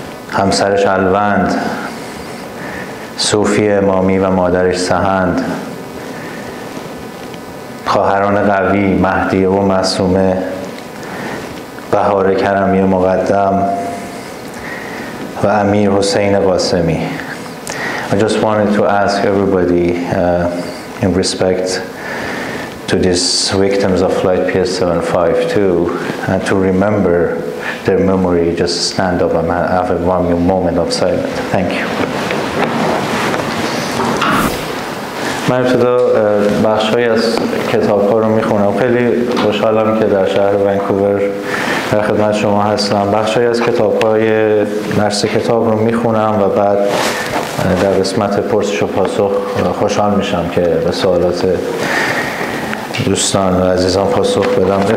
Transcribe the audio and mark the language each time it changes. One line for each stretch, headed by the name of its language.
Persian: همسرش الوند، صوفی امامی و مادرش سهند، خواهران قوی مهدیه و معصومه، بهار کرمی مقدم و امیر حسین قاسمی.
English: I just wanted to ask everybody in respect to these victims of flight PS752 and to remember their memory, just stand up and have a warm moment of silence. Thank you.
Persian: من ابتدا بخشی از کتاب‌ها رو می‌خونم. خیلی خوشحالم که در شهر ونکوور در خدمت شما هستم. بخشی از کتاب‌های نرس کتاب رو می‌خونم و بعد در قسمت پرسش و پاسخ خوشحال میشم که به سوالات دوستان و عزیزان پاسخ بدم.